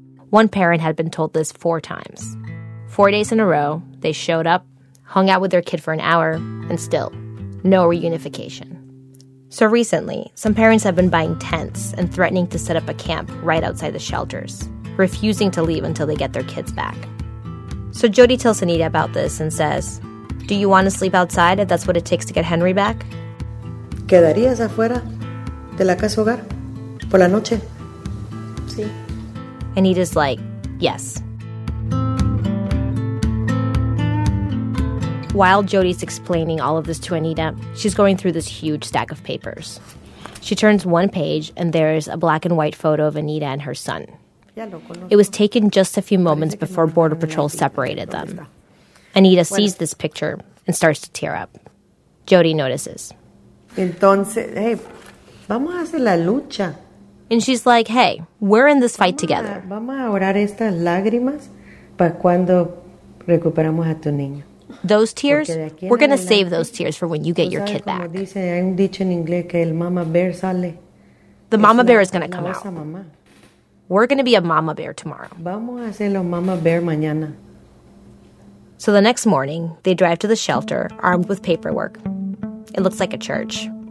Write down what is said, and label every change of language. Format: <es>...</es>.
<en>One parent had been told this four times. 4 days in a row, they showed up, hung out with their kid for an hour, and still, no reunification. So recently, some parents have been buying tents and threatening to set up a camp right outside the shelters, refusing to leave until they get their kids back. So Jody tells Anita about this and says, do you want to sleep outside if that's what it takes to get Henry back?</en> <es>¿Quedarías afuera de la casa hogar por la noche?</es> <en>Sí. Anita's like, yes. While Jody's explaining all of this to Anita, she's going through this huge stack of papers. She turns one page, and there's a black and white photo of Anita and her son. It was taken just a few moments before Border Patrol separated them. Anita sees this picture and starts to tear up. Jody notices.</en> <es>Entonces, hey, vamos a hacer la lucha.</es> <en>And she's like, hey, we're in this fight together.</en> <es>Vamos a orar estas lágrimas para cuando recuperamos a tu niño.</es> <en>Those tears, we're going to save those tears for when you get your kid back. The mama bear is going to come out. We're going to be a mama bear tomorrow. So the next morning, they drive to the shelter armed with paperwork. It looks like a church.</en>